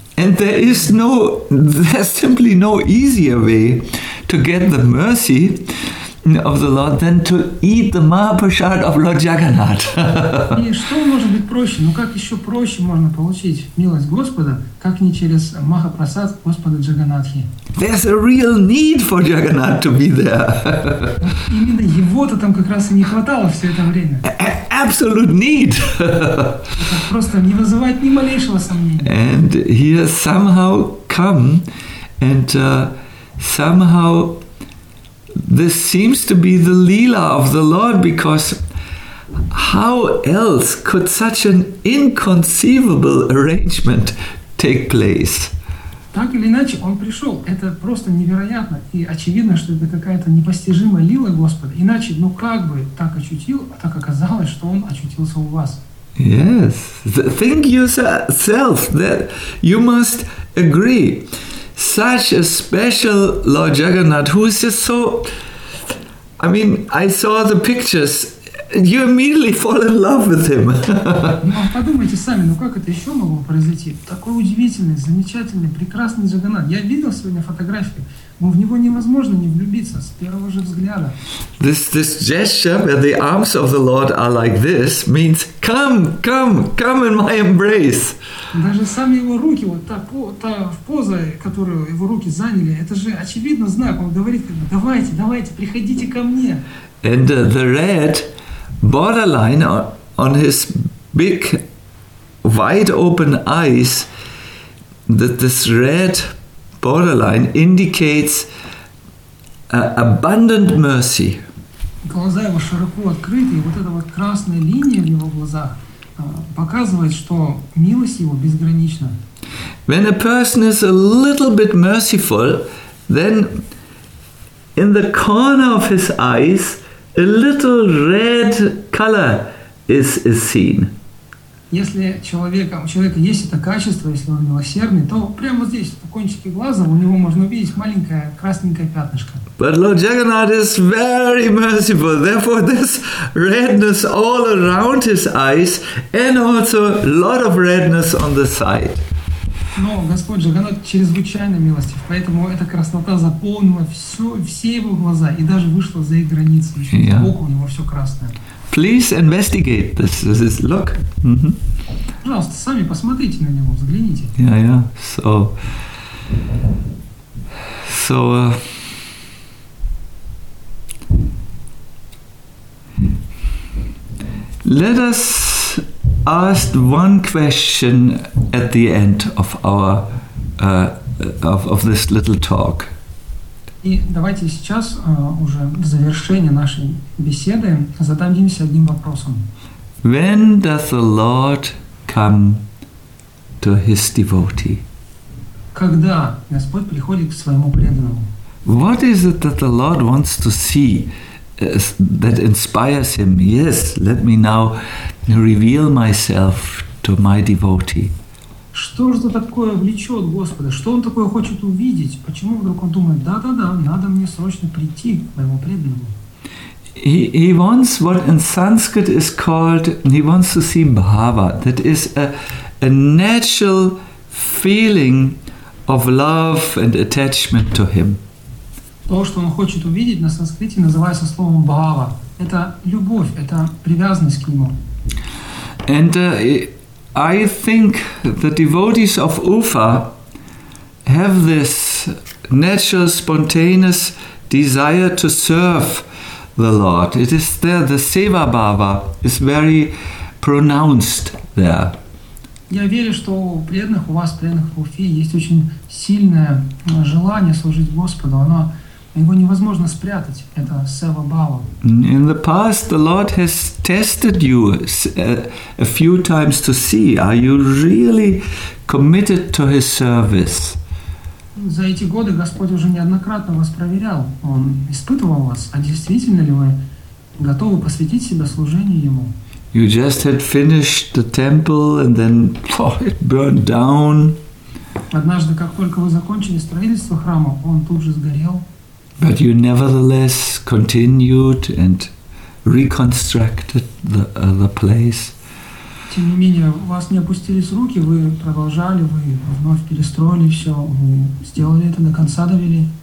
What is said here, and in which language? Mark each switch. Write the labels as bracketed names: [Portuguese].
[English] And there's simply no easier way to get the mercy of the Lord than to eat the Mahaprasad of Lord Jagannath. [Russian] И что может быть проще? Ну как еще проще можно получить милость Господа, как не через Махапрасад Господа Джаганатхи? [English] There's a real need for Jagannath to be there. [Russian] Именно его-то там как раз и не хватало все это время. [English] Absolute need. [Russian] Это просто не вызывает ни малейшего сомнения. [English] And he has somehow come and somehow this seems to be the Leela of the Lord, because how else could such an inconceivable arrangement take place? [Russian] Так или иначе, он пришел. Это просто невероятно. И очевидно, что это какая-то непостижимая Лила Господа. Иначе, ну как бы так очутил, так оказалось, что он очутился у вас. [English] Yes. Think yourself that you must agree. Such a special Lord Jagannath, who is just so, I mean, I saw the pictures, you immediately fall in love with him. [Russian] Подумайте сами, ну как это еще могло произойти? Такой удивительный, замечательный, прекрасный Джаганнат. Я видел сегодня фотографии, но в него невозможно не влюбиться с первого же взгляда. [English] This gesture where the arms of the Lord are like this means come in my embrace. [Russian] Даже сами его руки, вот та поза, которую его руки заняли, это же очевидно знак. Он говорит, давайте, приходите ко мне. [English] And the red borderline on his big, wide open eyes, that this red borderline indicates abundant mercy. [Russian] Глаза его широко открыты, и вот эта вот красная линия в его глазах показывает, что милость его безгранична. [English] When a person is a little bit merciful, then in the corner of his eyes a little red color is seen. [Russian] Если у человека есть это качество, если он милосердный, то прямо здесь, в кончике глаза, у него можно увидеть маленькое красненькое пятнышко. [English] But Lord Jagannath is very merciful, therefore this redness all around his eyes and also a lot of redness on the side. [Russian] Но Господь Джаганнат чрезвычайно милостив, поэтому эта краснота заполнила все его глаза и даже вышла за их границы. Сбоку у него все красное. [English] Please investigate this look. [Russian] Пожалуйста, сами посмотрите на него, взгляните. [English] Yeah. So, let us ask one question at the end of our of this little talk. [Russian] И давайте сейчас уже в завершение нашей беседы зададимся одним вопросом. [English] When does the Lord come to his devotee? [Russian] Когда Господь приходит к своему преданному? [English] What is it that the Lord wants to see that inspires him? Yes, let me now reveal myself to my devotee. [Russian] Что же такое влечет Господа? Что он такое хочет увидеть? Почему вдруг он думает, да-да-да, надо мне срочно прийти к моему преданному? [English] He wants what in Sanskrit is called, he wants to see bhava. That is a natural feeling of love and attachment to him. [Russian] То, что он хочет увидеть на санскрите, называется словом бхава. Это любовь, это привязанность к нему. [English] And I think the devotees of Ufa have this natural, spontaneous desire to serve the Lord. It is there, the seva bhava is very pronounced there. [Russian] Я верю, что у преданных, у вас, преданных в Уфе, есть очень сильное желание служить Господу. Оно, его невозможно спрятать, это seva bhava. [English] In the past, the Lord has tested you a few times to see, are you really committed to his service? [Russian] За эти годы Господь уже неоднократно вас проверял. Он испытывал вас, а действительно ли вы готовы посвятить себя служению Ему? [English] You just had finished the temple and then it burned down. [Russian] Однажды, как только вы закончили строительство храма, он тут же сгорел. [English] But you nevertheless continued and reconstructed the place. [Russian] Тем не менее, вас не опустили с руки, вы продолжали, вы вновь перестроили все, вы сделали это, до конца довели.